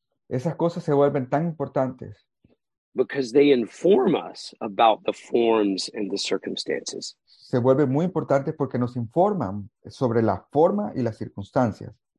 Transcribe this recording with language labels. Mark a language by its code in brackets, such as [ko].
[es] Esas cosas se vuelven tan importantes. [en] Because they inform us about the forms and the circumstances. [es] Se vuelven muy importantes porque nos informan sobre la forma y las circunstancias.